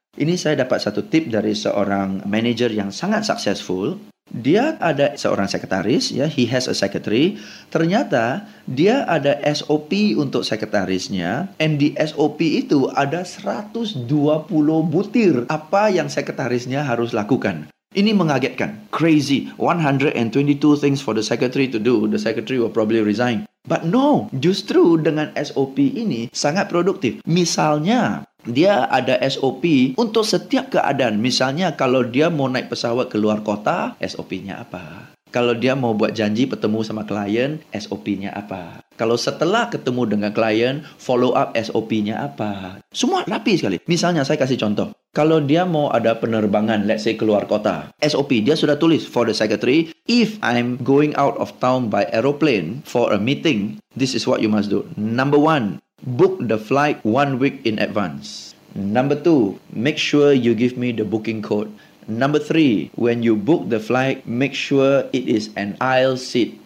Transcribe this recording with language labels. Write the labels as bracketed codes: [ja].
[id] Ini saya dapat satu tip dari seorang manager yang sangat successful. Dia ada seorang sekretaris, ya, he has a secretary. Ternyata dia ada SOP untuk sekretarisnya, and di SOP itu ada 120 butir apa yang sekretarisnya harus lakukan. [en] Ini mengagetkan, crazy, 122 things for the secretary to do, the secretary will probably resign. [id] But no, justru dengan SOP ini sangat produktif. Misalnya, dia ada SOP untuk setiap keadaan. Misalnya kalau dia mau naik pesawat ke luar kota, SOP-nya apa? Kalau dia mau buat janji bertemu sama klien, SOP-nya apa? Kalau setelah ketemu dengan klien, follow up SOP-nya apa? Semua rapi sekali. Misalnya saya kasih contoh. [en] Kalau dia mau ada penerbangan, let's say keluar kota, SOP dia sudah tulis for the secretary, if I'm going out of town by aeroplane for a meeting, this is what you must do. Number one, book the flight 1 week in advance. Number two, make sure you give me the booking code. Number three, when you book the flight, make sure it is an aisle seat.